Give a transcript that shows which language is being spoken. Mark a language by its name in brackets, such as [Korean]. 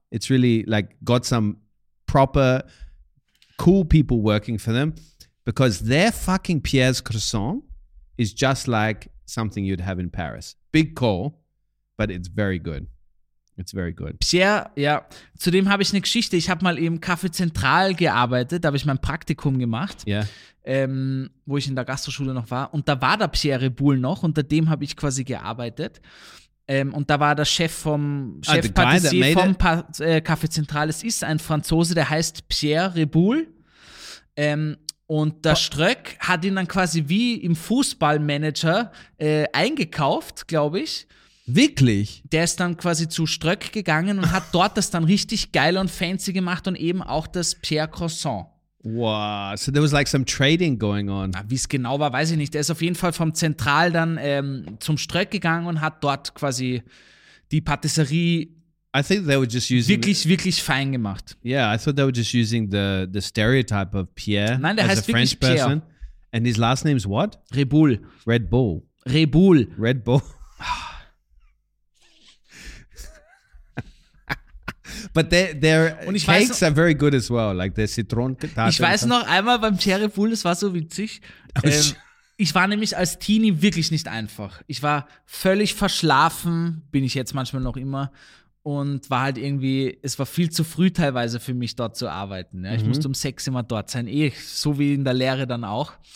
[English] It's really like got some proper cool people working for them because their fucking Pierre's croissant is just like something you'd have in Paris. Big call, but it's very good. It's very good. [German] Pierre, ja, zu dem habe ich eine Geschichte. Ich habe mal im Café Central gearbeitet, da habe ich mein Praktikum gemacht, wo ich in der Gastroschule noch war. Und da war der Pierre Reboul noch, unter dem habe ich quasi gearbeitet. Und da war der Chef vom Chef-Patissier vom Café Central. Es ist ein Franzose, der heißt Pierre Reboul. Und der Ströck hat ihn dann quasi wie im Fußballmanager eingekauft, glaube ich. Wirklich? Der ist dann quasi zu Ströck gegangen und hat dort das dann richtig geil und fancy gemacht und eben auch das Pierre Croissant. [English] Wow, so there was like some trading going on. [German] Wie es genau war, weiß ich nicht. Der ist auf jeden Fall vom Zentral dann zum Ströck gegangen und hat dort quasi die Patisserie [English] I think they were just using [German] wirklich, wirklich fein gemacht. [English] Yeah, I thought they were just using the stereotype of Pierre. [German] Nein, der as heißt [English] a French [German] wirklich Pierre. [English] Person. And his last name is what? Reboul. Red Bull. Reboul. Red Bull. But their cakes are very good as well, like their Zitronen-Tarte. [German] Ich weiß noch einmal beim Pierre Bull, das war so witzig. Ich war nämlich als Teenie wirklich nicht einfach. Ich war völlig verschlafen, bin ich jetzt manchmal noch immer, und war halt irgendwie, es war viel zu früh teilweise für mich dort zu arbeiten. Ja. Ich musste um 6 immer dort sein, so wie in der Lehre dann auch.